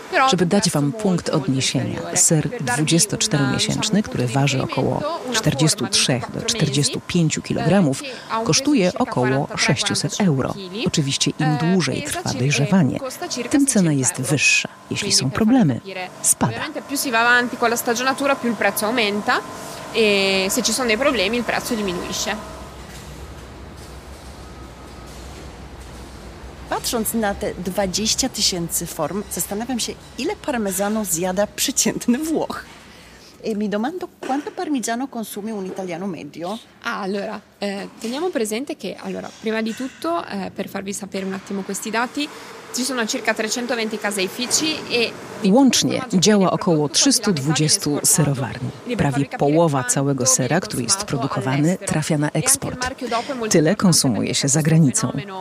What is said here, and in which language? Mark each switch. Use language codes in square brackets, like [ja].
[pl] Żeby dać Wam punkt odniesienia, ser 24-miesięczny, który waży około 43 do 45 kg, kosztuje około 600 euro. Oczywiście im dłużej trwa dojrzewanie, tym cena jest wyższa. Jeśli są problemy, spada. [it] Più si va avanti con la stagionatura, più il prezzo aumenta. E se ci sono dei problemi, il prezzo diminuisce. [pl] Patrząc na te 20 tysięcy form, zastanawiam się, ile parmezanu zjada przeciętny Włoch. [it] E mi domando quanto parmigiano consume un italiano medio. Allora, teniamo presente che, allora, prima di tutto, per farvi sapere un attimo questi dati, ci sono circa 320 caseifici e... [pl] Łącznie działa około 320 serowarni. Prawie połowa całego sera, który jest produkowany, trafia na eksport. Tyle konsumuje się za granicą.